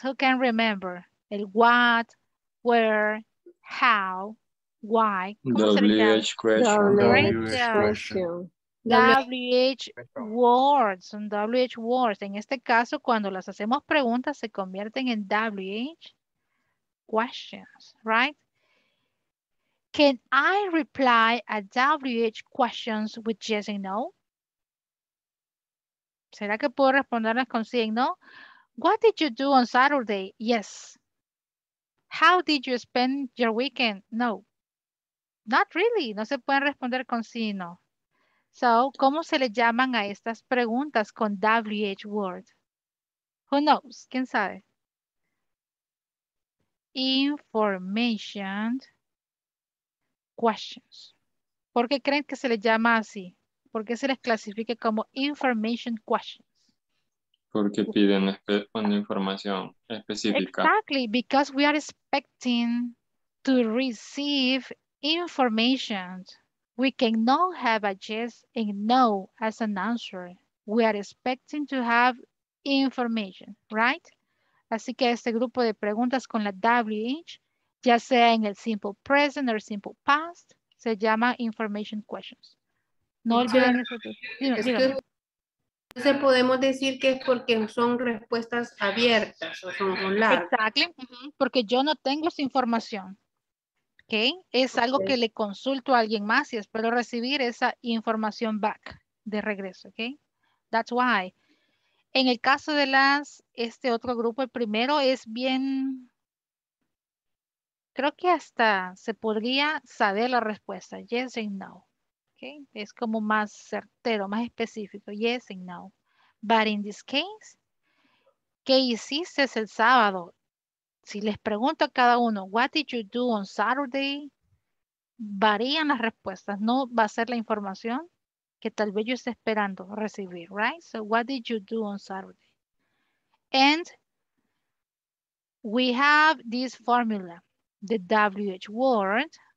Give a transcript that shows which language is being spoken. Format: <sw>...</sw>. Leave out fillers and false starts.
<en>Who can remember? El what, where, how, why. WH question. WH words. Son WH words.</en> <es>En este caso, cuando las hacemos preguntas, se convierten en WH questions, right?</es> <en>Can I reply a WH questions with yes and no?</en> <es>¿Será que puedo responderlas con sí y no?</es> <en>What did you do on Saturday? Yes. How did you spend your weekend? No. Not really.</en> <es>No se pueden responder con sí y no. So, ¿cómo se le llaman a estas preguntas con WH word?</es> <en>Who knows?</en> <es>¿Quién sabe?</es> <en>Information questions.</en> <es>¿Por qué creen que se les llama así? ¿Por qué se les clasifica como</es> <en>information questions?</en> <es>Porque piden una información específica.</es> <en>Exactly, because we are expecting to receive information. We cannot have a yes and no as an answer. We are expecting to have information, right?</en> <es>Así que este grupo de preguntas con la WH, ya sea en el</es> <en>simple present or simple past,</en> <es>se llama</es> <en>information questions.</en> <es>No olviden eso. Entonces podemos decir que es porque son respuestas abiertas o son largas. Exactly. Porque yo no tengo esa información. Okay. Es algo que le consulto a alguien más y espero recibir esa información back, de regreso. Okay.</es> <en>That's why.</en> <es>En el caso de las, este otro grupo, el primero es bien, creo que hasta se podría saber la respuesta.</es> <en>Yes and no. Okay.</en> <es>Es como más certero, más específico.</es> <en>Yes and no. But in this case,</en> <es>¿qué hiciste el sábado? Si les pregunto a cada uno,</es> <en>what did you do on Saturday?</en> <es>Varían las respuestas. No va a ser la información que tal vez yo esté esperando recibir, right?</es> <en>So, what did you do on Saturday? And we have this formula, the WH word.</en>